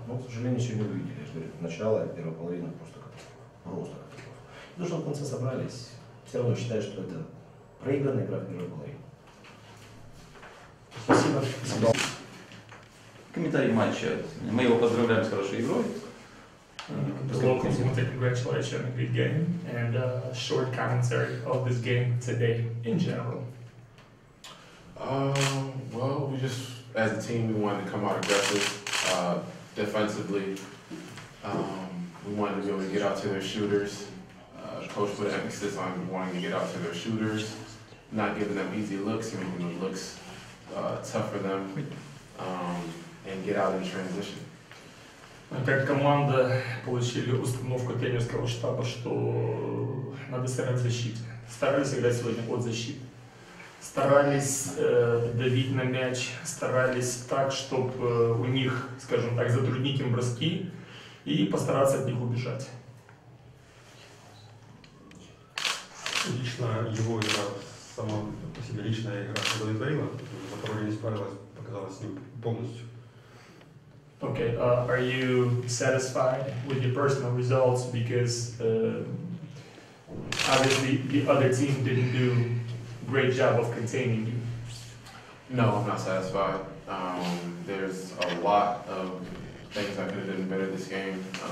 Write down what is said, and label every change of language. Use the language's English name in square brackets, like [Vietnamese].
[Russian] Но, к сожалению, сегодня вы видели. Я же говорю, начало, первая половина просто катастрофа. Просто катастрофа. И то, что в конце собрались, все равно считаю, что это проигранная игра в мировой была. Спасибо. Спасибо. Комментарий матча. Мы его поздравляем с хорошей игрой. [English] Congratulations on a good game and a short commentary of this game today in general. Well, we just, as a team, we wanted to come out aggressive defensively. We wanted to be able to get out to their shooters. Coach put emphasis on wanting to get out to their shooters, not giving them easy looks, even when it looks tough for them, and get out in transition. [Russian] Как команда получили установку тренерского штаба, что надо сыграть в защите. Старались играть сегодня от защиты. Старались давить на мяч, старались так, чтобы у них, скажем так, затруднить им броски и постараться от них убежать. Лично его игра, сама по себе личная игра, удовлетворила, за которую не справилась, показалась с ним полностью. [English] Okay, are you satisfied with your personal results? Because obviously the other team didn't do a great job of containing you. No, I'm not satisfied. There's a lot of things I could have done better this game.